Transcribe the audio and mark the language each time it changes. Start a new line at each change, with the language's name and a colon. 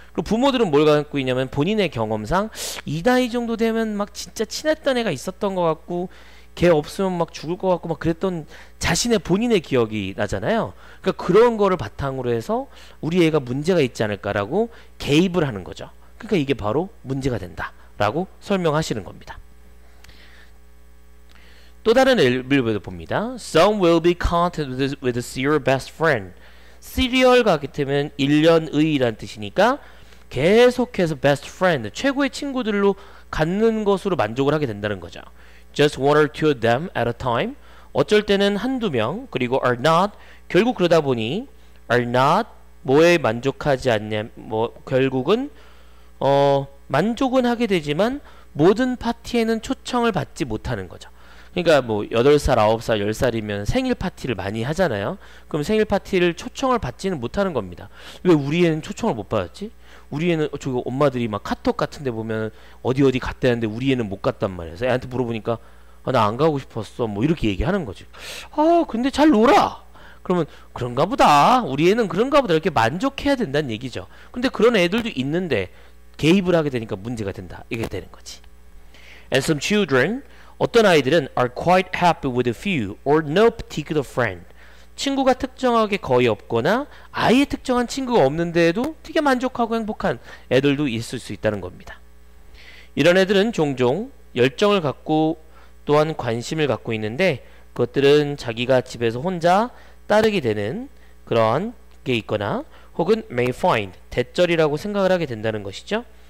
Korean: 그리고 부모들은 뭘 갖고 있냐면 본인의 경험상 이 나이 정도 되면 막 진짜 친했던 애가 있었던 것 같고 걔 없으면 막 죽을 것 같고 막 그랬던 자신의 본인의 기억이 나잖아요. 그러니까 그런 거를 바탕으로 해서 우리 애가 문제가 있지 않을까라고 개입을 하는 거죠. 그러니까 이게 바로 문제가 된다라고 설명하시는 겁니다. 또 다른 예를 봅니다.
English: Some will be content with a serial best friend.
Korean: 시리얼과 같게 되면 1년의라는 뜻이니까 계속해서 best friend, 최고의 친구들로 갖는 것으로 만족을 하게 된다는 거죠.
English: Just one or two of them at a time.
Korean: 어쩔 때는 한두 명, 그리고
English: are not,
Korean: 결국 그러다 보니 are not, 뭐에 만족하지 않냐, 뭐 결국은 만족은 하게 되지만 모든 파티에는 초청을 받지 못하는 거죠. 그러니까 뭐 8살, 9살, 10살이면 생일 파티를 많이 하잖아요. 그럼 생일 파티를 초청을 받지는 못하는 겁니다. 왜 우리 애는 초청을 못 받았지? 우리 애는 저기 엄마들이 막 카톡 같은 데 보면 어디 어디 갔다는데 우리 애는 못 갔단 말이에요. 애한테 물어보니까 나 안 가고 싶었어 뭐 이렇게 얘기하는 거지. 근데 잘 놀아. 그러면 그런가 보다. 우리 애는 그런가 보다 이렇게 만족해야 된다는 얘기죠. 근데 그런 애들도 있는데 개입을 하게 되니까 문제가 된다. 이게 되는 거지.
English: And some children,
Korean: 어떤 아이들은
English: are quite happy with a few or no particular friend.
Korean: 친구가 특정하게 거의 없거나 아예 특정한 친구가 없는데도 되게 만족하고 행복한 애들도 있을 수 있다는 겁니다. 이런 애들은 종종 열정을 갖고 또한 관심을 갖고 있는데 그것들은 자기가 집에서 혼자 따르게 되는 그러한 게 있거나 혹은
English: may find,
Korean: 대절이라고 생각을 하게 된다는 것이죠.